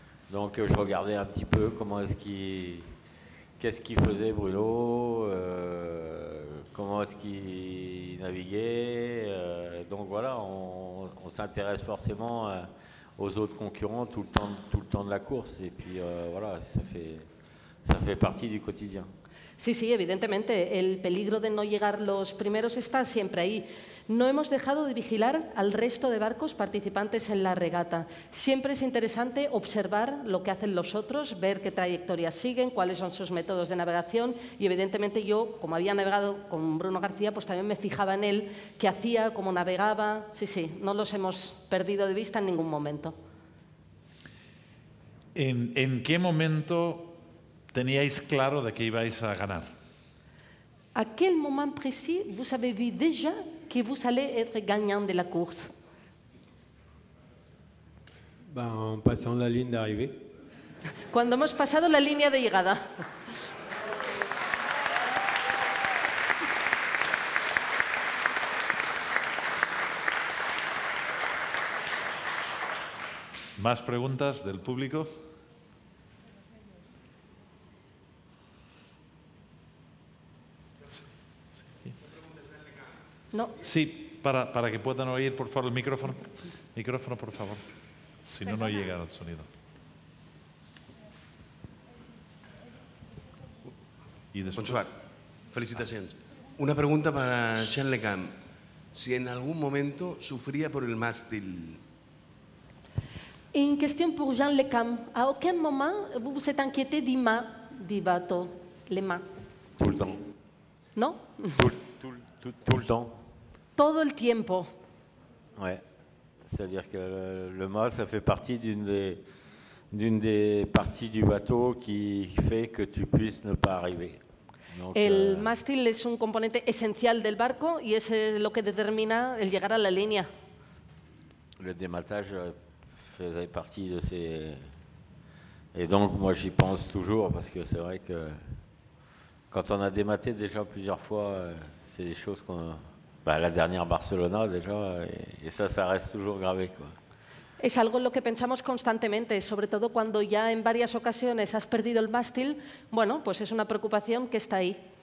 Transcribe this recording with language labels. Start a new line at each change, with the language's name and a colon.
French: Donc, je regardais un petit peu comment est-ce qu'il... Qu'est-ce qu'il faisait Bruno, comment est-ce qu'il naviguait, donc voilà, on s'intéresse forcément aux autres concurrents tout le temps de la course, et puis voilà, ça fait partie du quotidien.
Spanish: Sí, evidentemente, el peligro de no llegar los primeros está siempre ahí. No hemos dejado de vigilar al resto de barcos participantes en la regata. Siempre es interesante observar lo que hacen los otros, ver qué trayectoria siguen, cuáles son sus métodos de navegación. Y evidentemente yo, como había navegado con Bruno García, pues también me fijaba en él, qué hacía, cómo navegaba. Sí, no los hemos perdido de vista en ningún momento. ¿En qué momento teníais claro de que ibais a ganar? ¿A qué momento preciso habéis visto ya que
French: vous allez être gagnant de la course? Ben, en passant la ligne d'arrivée. Quand
Spanish: hemos pasado la línea de llegada. Más preguntas del público. No. Sí, para que puedan oír, por favor, el micrófono. Micrófono, por favor. Si no, no llega el sonido. Y después...
French: Bonsoir.
Spanish: Felicitaciones. Una pregunta para Sean Le Cam. Si en algún momento sufría por el mástil. Una pregunta para Sean Le Cam.
French: ¿A aucun moment vous êtes inquiété du mât du bateau, le mât? Tout le temps.
Spanish: ¿No?
French: Tout le temps.
Spanish: Todo el tiempo.
French: Ouais. C'est-à-dire que le mât, ça fait partie d'une des parties du bateau qui fait que tu puisses ne pas arriver. Donc,
Spanish: el mástil es un componente esencial del barco y es lo que determina el llegar a la línea.
French: Le dématage faisait partie de ces... Et donc, moi, j'y pense toujours parce que c'est vrai que quand on a dématé déjà plusieurs fois, c'est des choses qu'on... Bah, la dernière Barcelona, déjà, et ça reste toujours gravé, quoi.
Spanish: Es algo en lo que pensamos constantemente, sobre todo cuando ya en varias ocasiones has perdido el mástil, bueno, pues es una preocupación que está ahí.